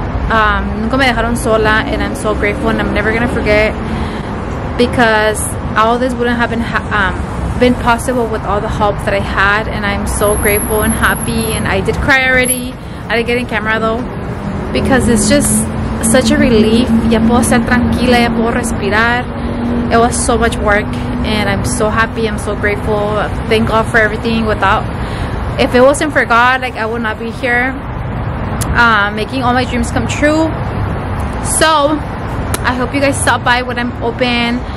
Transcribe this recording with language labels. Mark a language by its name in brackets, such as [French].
[Spanish] Nunca me dejaron sola, [English] and I'm so grateful, and I'm never going to forget, because all this wouldn't have been possible with all the help that I had, and I'm so grateful and happy. And I did cry already. I didn't get in camera though, because it's just such a relief. [Spanish] Ya puedo estar tranquila, ya puedo respirar. [English] It was so much work, and I'm so happy. I'm so grateful. Thank God for everything. If it wasn't for God, like, I would not be here, making all my dreams come true. So I hope you guys stop by when I'm open.